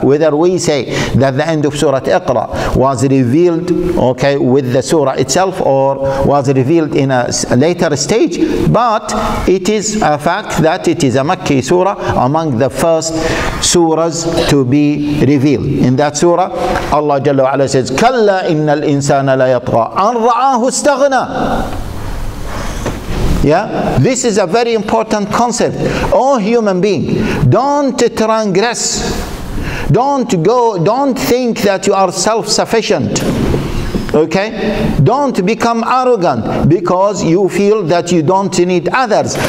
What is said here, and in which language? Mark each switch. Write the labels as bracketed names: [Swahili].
[English] Whether we say that the end of Surah Iqra was revealed, okay, with the surah itself, or was revealed in a later stage, but it is a fact that it is a Makki surah, among the first surahs to be revealed. In that surah, Allah Jalla وعلى says [Arabic] كلا إن الإنسان لا يطغى أن رآه استغنى. [English] Yeah, this is a very important concept. Oh human being, don't transgress, don't go, don't think that you are self-sufficient. Okay, don't become arrogant because you feel that you don't need others.